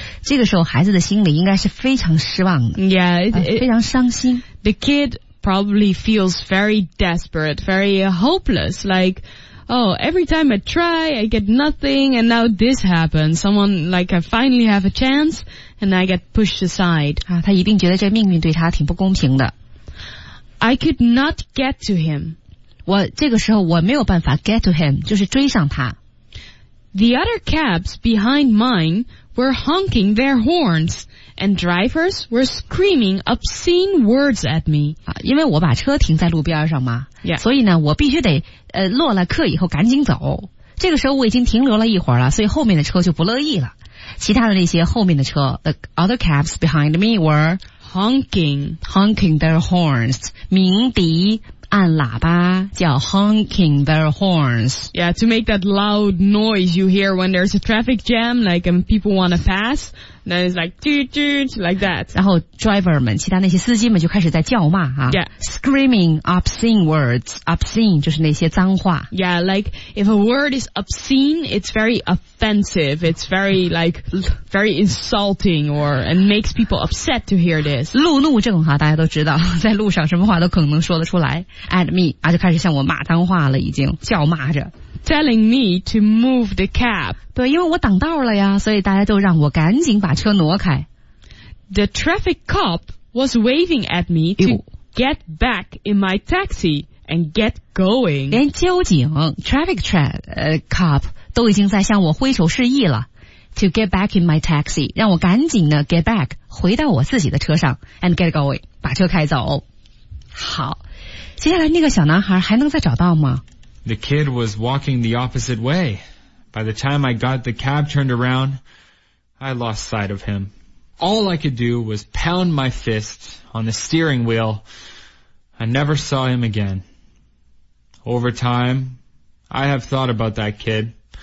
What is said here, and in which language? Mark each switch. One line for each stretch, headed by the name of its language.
Chinese: 这个时候孩子的心里应该是非常失望的。非常伤心。
English: The kid probably feels very desperate, very hopeless, like,Oh, every time I try, I get nothing, and now this happens. Someone, like, I finally have a chance, and I get pushed aside.
Chinese: 啊，他一定觉得这命运对他挺不公平的。
English: I could not get to him.
Chinese: 我，这个时候我没有办法
English: get to him,
Chinese: 就是追上他。
English: The other cabs behind mine were honking their horns. And drivers were screaming obscene words at me.
Chinese: 因为我把车停在路边上嘛。
English: Yeah.
Chinese: 所以呢我必须得落了客以后赶紧走。这个时候我已经停留了一会儿了，所以后面的车就不乐意了。其他的那些后面的车
English: ,the other cabs behind me were honking their horns,
Chinese: 鸣笛按喇叭叫
English: honking their horns. Yeah, to make that loud noise you hear when there's a traffic jam, like when people want to pass, then it's like toot toot, like that.
Chinese: 然后 driver 们，其他那些司机们就开始在叫骂啊。
English: Yeah. Screaming obscene words. Obscene
Chinese: 就是那些脏话。
English: Yeah, like if a word is obscene, it's very offensive. It's very like, very insulting or, and makes people upset to hear this.
Chinese: 路怒症哈，大家都知道，在路上什么话都可能说得出来。
English: At me,
Chinese: 啊，就开始向我骂脏话了，已经叫骂着。
English: Telling me to move the cab.
Chinese: 对，因为我挡道了呀，所以大家就让我赶紧把车挪开。
English: The traffic cop was waving at me to get back in my taxi and get going.
Chinese: 连交警 traffic cop 都已经在向我挥手示意了。
English: To get back in my taxi,
Chinese: 让我赶紧呢
English: get back,
Chinese: 回到我自己的车上
English: and get going,
Chinese: 把车开走。好。接下来那个小男孩还能再找到吗？
English: The kid was walking the opposite way. By the time I got the cab turned around, I lost sight of him. All I could do was pound my fist on the steering wheel. I never saw him again. Over time, I have thought about that kid.